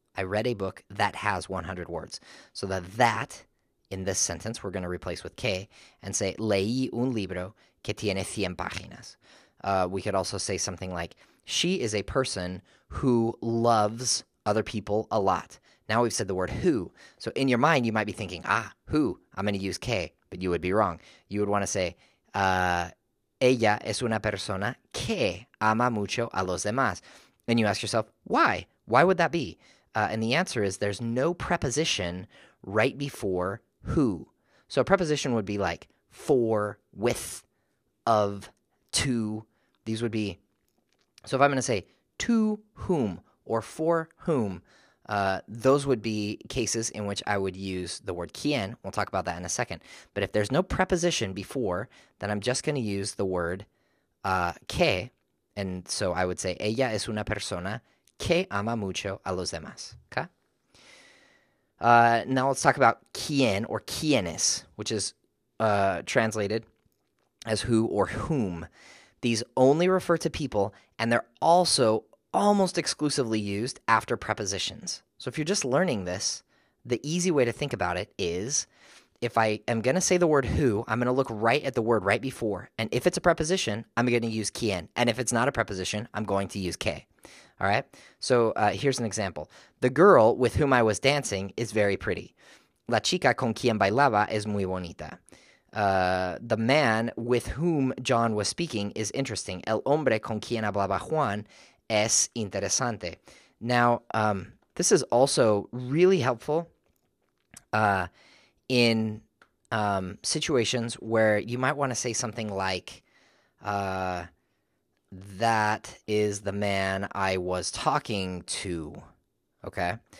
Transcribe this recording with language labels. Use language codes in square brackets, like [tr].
[en] I read a book that has 100 words. So that in this sentence, we're going to replace with que and say, leí un libro que tiene 100 páginas. We could also say something like, she is a person who loves other people a lot. Now we've said the word who. So in your mind, you might be thinking, ah, who? I'm going to use que, but you would be wrong. You would want to say, ella es una persona que ama mucho a los demás. And you ask yourself, why? Why would that be? And the answer is there's no preposition right before who. So a preposition would be like for, with, of, to. These would be, so if I'm going to say to whom or for whom, those would be cases in which I would use the word quien. We'll talk about that in a second. But if there's no preposition before, then I'm just going to use the word que. And so I would say, ella es una persona que ama mucho a los demás, okay? Now let's talk about quién or quiénes, which is translated as who or whom. These only refer to people, and they're also almost exclusively used after prepositions. So if you're just learning this, the easy way to think about it is, if I am going to say the word who, I'm going to look right at the word right before. And if it's a preposition, I'm going to use quien. And if it's not a preposition, I'm going to use que. All right? So here's an example. The girl with whom I was dancing is very pretty. [es] La chica con quien bailaba es muy bonita. [en] The man with whom John was speaking is interesting. [es] El hombre con quien hablaba Juan es interesante. [en] Now, this is also really helpful in situations where you might want to say something like, that is the man I was talking to, okay?